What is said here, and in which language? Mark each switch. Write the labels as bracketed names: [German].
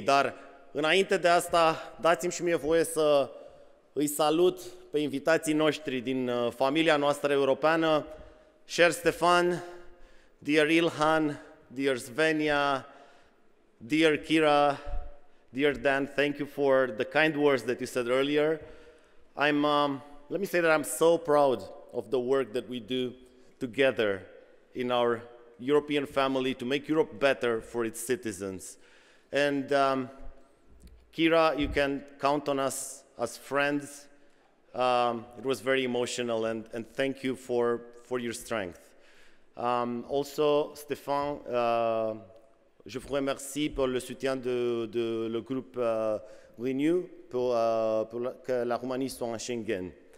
[Romanian] Dar, înainte de asta, dați-mi și mie voie să îi salut pe invitații noștri din familia noastră europeană, Cher Stefan, [English] Dear Ilhan, Dear Svenia, Dear Kira, Dear Dan, thank you for the kind words that you said earlier. Let me say that I'm so proud of the work that we do together in our European family to make Europe better for its citizens. And Kira, you can count on us as friends. It was very emotional, and thank you for your strength. [French] Also, Stéphane, je vous remercie pour le soutien de le groupe Renew pour que la Roumanie soit en Schengen.